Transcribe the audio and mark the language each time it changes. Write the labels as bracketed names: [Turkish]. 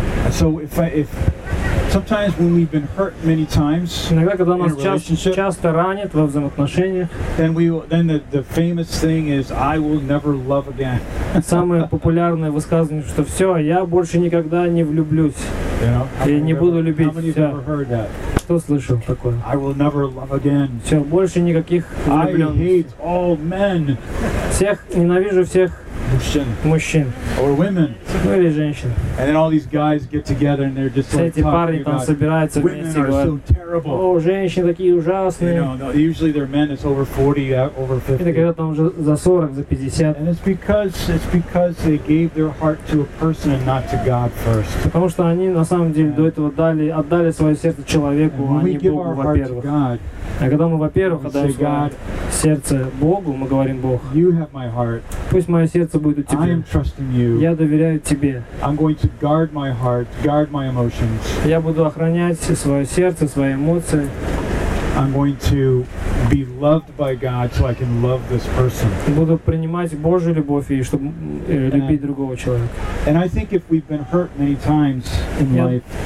[English] So if sometimes when we've been hurt many times, [Russian] иногда когда нас часто ранят во взаимоотношениях, [English] then the famous thing is I will never love again. [Russian] Самое популярное высказывание, что все, я больше никогда не влюблюсь, я не буду любить. [English] How many have ever heard that? [Russian] Что слышал такое? [English] I will never love again. [Russian] Все, больше никаких влюбленных. [English] I hate all men. [Russian] Всех ненавижу всех. Мужчин. [English] Or women. [Russian] Ну или женщин. [English] And then all these guys get together and they're just like talking about. [Russian] Все эти парни там собираются вместе. [English] Women are so terrible. [Russian] О, женщины такие ужасные. [English] You know, usually they're men that's over 40, over 50. [Russian] Это когда там уже за 40, за 50. [English] And it's because they gave their heart to a person and not to God first. [Russian] Потому что они на самом деле до этого отдали свое сердце человеку, а не Богу, во-первых. А когда мы, во-первых, отдаем свое сердце Богу, мы говорим: Бог, [English] you have my heart. [Russian] Пусть мое сердце будет у тебя. [English] I am trusting you. [Russian] Я доверяю тебе. [English] I'm going to guard my heart, guard my emotions. [Russian] Я буду охранять свое сердце, свои эмоции. [English] I'm going to be loved by God so I can love this person. [Russian] Буду принимать Божью любовь, чтобы любить другого человека. [English] And I think if we've been hurt many times in life.